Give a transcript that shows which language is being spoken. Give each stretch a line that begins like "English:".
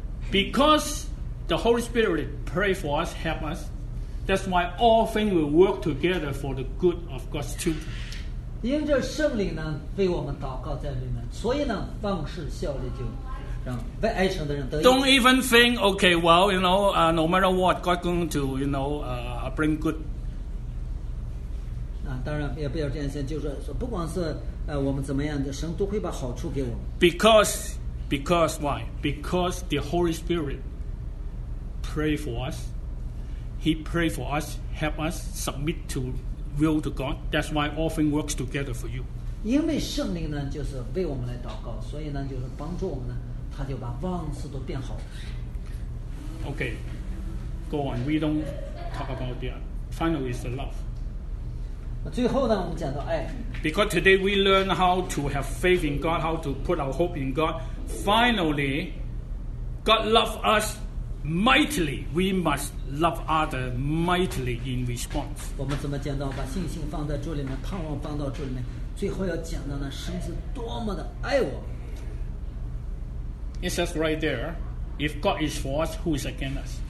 English: Because the Holy Spirit pray for us, help us, that's why all things will work together for the good of God's children.
Chinese: 因着圣灵呢为我们祷告在里面，所以呢万事效力就让爱神的人得益。
English: Don't even think, okay, well, you know, no matter what, God's going to, you know, bring good.
Chinese: 当然也不要这样想，就是说不管是我们怎么样的，神都会把好处给我们。
English: Because why? Because the Holy Spirit pray for us. He pray for us, help us submit to will to God. That's why all things works together for you.
Chinese: 因为圣灵呢，就是为我们来祷告，所以呢，就是帮助我们呢，他就把万事都变好。
English: Okay, go on. We don't talk about the final is the love.
Chinese: 最后呢，我们讲到爱。
English: Because today we learn how to have faith in God, how to put our hope in God. Finally, God loves us mightily. We must love others mightily in response.
Chinese: 我们怎么讲到把信心放在主里面，盼望放到主里面？最后要讲到呢，神是多么的爱我。
English: It says right there, if God is for us, who is against us?